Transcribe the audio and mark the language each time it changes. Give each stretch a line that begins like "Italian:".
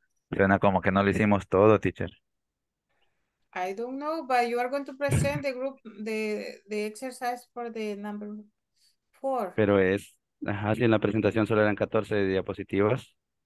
Spanish: Suena como que no lo hicimos todo, teacher.
English: I don't know, but you are going to present the group, the exercise for the number 4.
Spanish: Pero es, ajá, si en la presentación solo eran 14 diapositivas.